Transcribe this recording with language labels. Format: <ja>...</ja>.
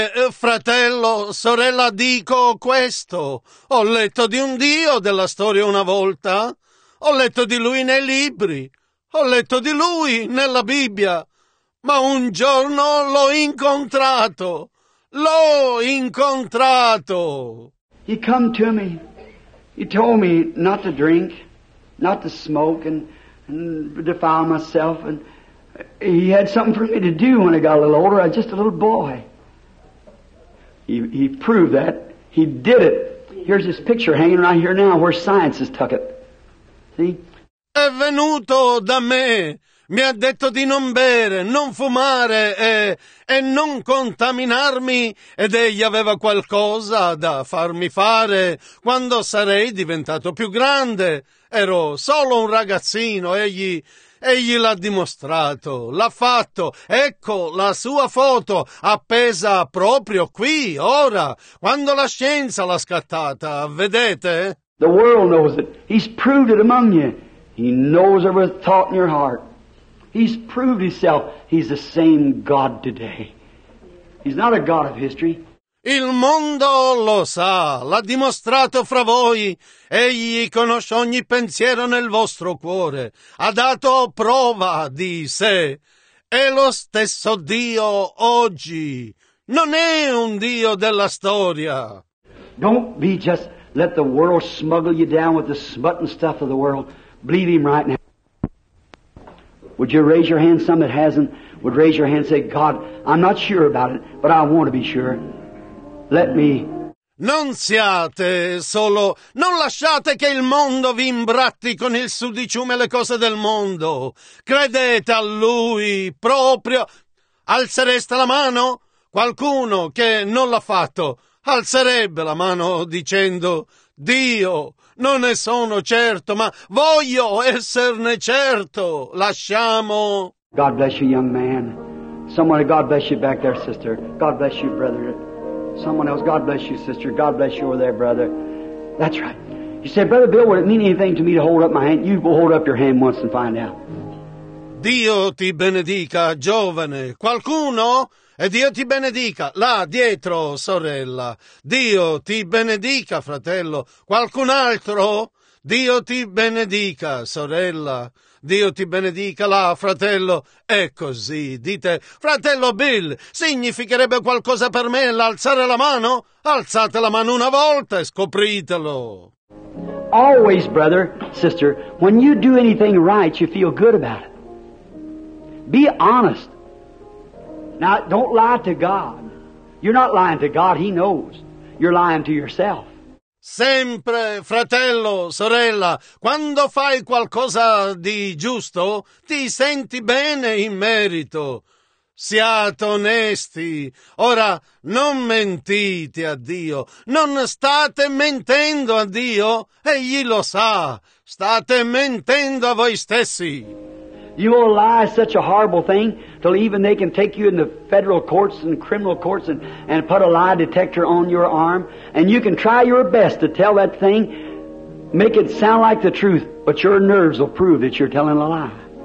<it>Fratello, sorella, dico questo. Ho letto di un Dio della storia una volta. Ho letto di lui nei libri, ho letto di lui nella Bibbia, ma un giorno l'ho incontrato, l'ho incontrato.</it> <en>He come to me, he told me not to drink, not to smoke and defile myself, and he had something for me to do when I got a little older, I was just a little boy. He proved that, he did it. Here's his picture hanging right here now where science has tucked it.</en> <it>È venuto da me, mi ha detto di non bere, non fumare e non contaminarmi, ed egli aveva qualcosa da farmi fare quando sarei diventato più grande. Ero solo un ragazzino, egli l'ha dimostrato, l'ha fatto. Ecco la sua foto appesa proprio qui, ora, quando la scienza l'ha scattata, vedete?</it> <en>The world knows it. He's proved it among you. He knows every thought in your heart. He's proved himself. He's the same God today. He's not a God of history.</en> <it>Il mondo lo sa, l'ha dimostrato fra voi. Egli conosce ogni pensiero nel vostro cuore. Ha dato prova di sé. È lo stesso Dio oggi. Non è un Dio della storia.</it> <en>Don't be just... Let the world smuggle you down with the smut and stuff of the world. Believe him right now. Would you raise your hand, some that hasn't? Would raise your hand and say, God, I'm not sure about it, but I want to be sure. Let me...</en> <it>Non siate solo... Non lasciate che il mondo vi imbratti con il sudiciume e le cose del mondo. Credete a lui proprio. Alzereste la mano? Qualcuno che non l'ha fatto... alzerebbe la mano dicendo, Dio, non ne sono certo, ma voglio esserne certo. Lasciamo.</it> <en>God bless you, young man. Someone, God bless you back there, sister. God bless you, brother. Someone else, God bless you, sister. God bless you over there, brother. That's right. You say, Brother Bill, would it mean anything to me to hold up my hand? You go hold up your hand once and find out.</en> <it>Dio ti benedica, giovane. Qualcuno... E Dio ti benedica, là dietro, sorella. Dio ti benedica, fratello. Qualcun altro? Dio ti benedica, sorella. Dio ti benedica, là, fratello. È così, dite. Fratello Bill, significherebbe qualcosa per me l'alzare la mano? Alzate la mano una volta e scopritelo.</it> <en>Always, brother, sister, when you do anything right, you feel good about it. Be honest. Now, don't lie to God. You're not lying to God, he knows. You're lying to yourself.</en> <it>Sempre, fratello, sorella, quando fai qualcosa di giusto, ti senti bene in merito. Siate onesti. Ora, non mentite a Dio. Non state mentendo a Dio. Egli lo sa. State mentendo a voi stessi.</it> <en>You will lie such a horrible thing till even they can take you in the federal courts and criminal courts and put a lie detector on your arm. And you can try your best to tell that thing make it sound like the truth, but your nerves will prove that you're telling a lie.</en>